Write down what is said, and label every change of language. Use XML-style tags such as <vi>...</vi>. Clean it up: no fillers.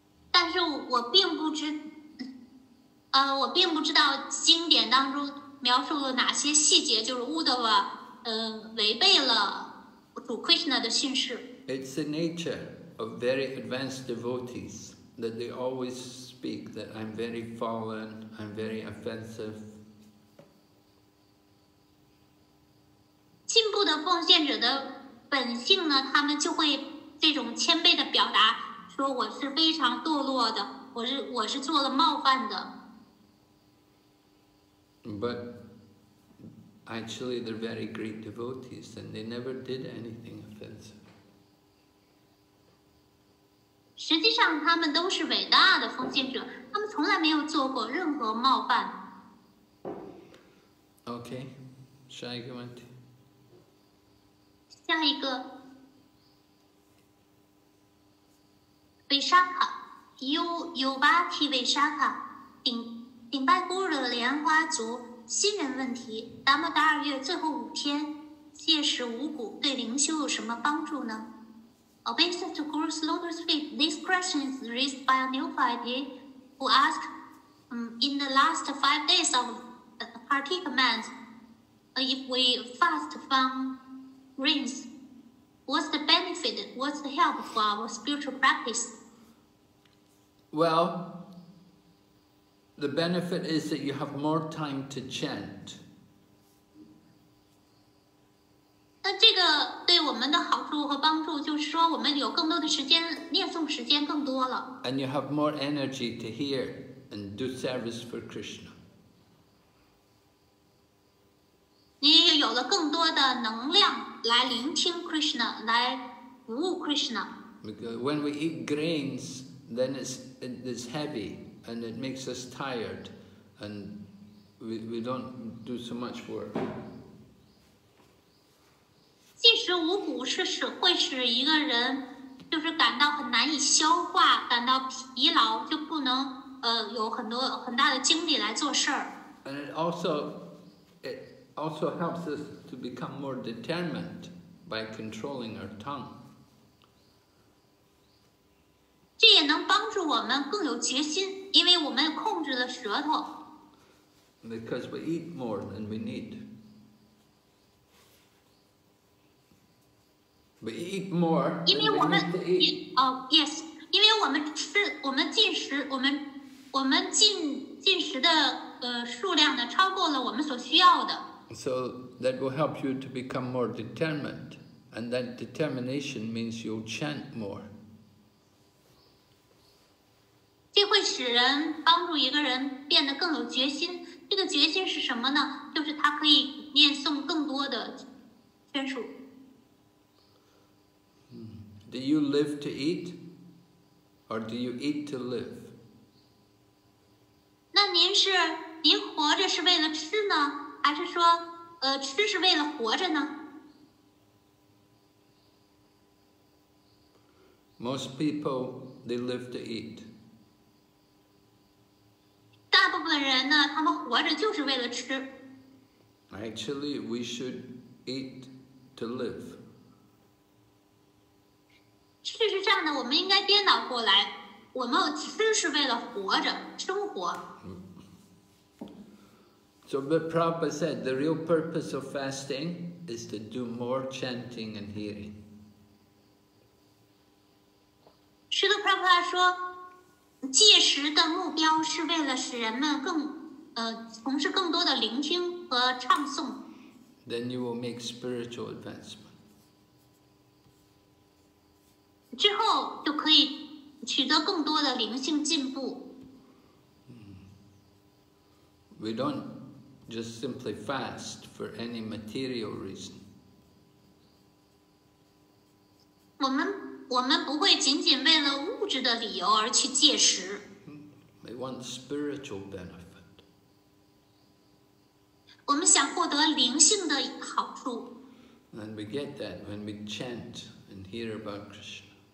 <zh>但是我并不知道经典当中描述了哪些细节，就是Uddhava违背了主 Krishna 的训示。</zh> <en>It's the nature of very advanced devotees that they always speak that I'm very fallen, I'm very offensive.</en> <zh>进步的奉献者的本性呢，他们就会这种谦卑的表达，说我是非常堕落的，我是做了冒犯的。</zh> <en>But actually they're very great devotees and they never did anything offensive.</en> <zh>实际上他们都是伟大的奉献者，他们从来没有做过任何冒犯。 OK, 下一个问题。下一个。 Vishakha, Yuvati Vishakha, 顶拜古的莲花族新人问题，达摩达尔月最后五天戒食五谷对灵修有什么帮助呢？</zh> <en>Obeisance to Guru's lotus feet, this question is raised by a newbie who asked, in the last 5 days of Kartika month, if we fast from rains, what's the benefit, what's the help for our spiritual practice? Well, the benefit is that you have more time to chant.</en> <zh>那这个对我们的好处和帮助就是说我们有更多的时间念诵时间更多了。</zh> <en>And you have more energy to hear and do service for Krishna.</en> <zh>你也有了更多的能量来聆听 Krishna, 来服务 Krishna.</zh> <en>When we eat grains, then it's heavy and it makes us tired and we don't do so much work.</en> <zh>即使五谷是使会使一个人就是感到很难以消化，感到疲劳，就不能有很多很大的精力来做事儿。</zh> <en>And it also helps us to become more determined by controlling our tongue.</en> <zh>这也能帮助我们更有决心，因为我们控制了舌头。</zh> <en>Because we eat more than we need. We eat more than we need to eat.</en> <zh>Yes, 因为我们吃我们进食我们进食的数量呢超过了我们所需要的。</zh> <en>So that will help you to become more determined, and that determination means you'll chant more.</en> <zh>这会使人帮助一个人变得更有决心。这个决心是什么呢？就是他可以念诵更多的宣数。</zh> <en>Do you live to eat, or do you eat to live?</en> <zh>那您活着是为了吃呢，还是说，吃是为了活着呢？</zh> <en>Most people, they live to eat.</en> <zh>大部分人呢，他们活着就是为了吃。</zh> <en>Actually, we should eat to live.</en> <zh>事实上呢，我们应该颠倒过来，我们吃是为了活着，生活。</zh> <en>So the Prabhupada said, the real purpose of fasting is to do more chanting and hearing.</en> <zh>释迦牟尼佛说，戒食的目标是为了使人们更从事更多的聆听和唱诵。</zh> <en>Then you will make spiritual advancement.</en> <zh>之后就可以取得更多的灵性进步。</zh> <en>We don't just simply fast for any material reason.</en> <zh>我们不会仅仅为了物质的理由而去戒食。</zh> <en>We want spiritual benefit.</en> <zh>我们想获得灵性的好处。</zh> <en>And we get that when we chant and hear about Krishna.</en>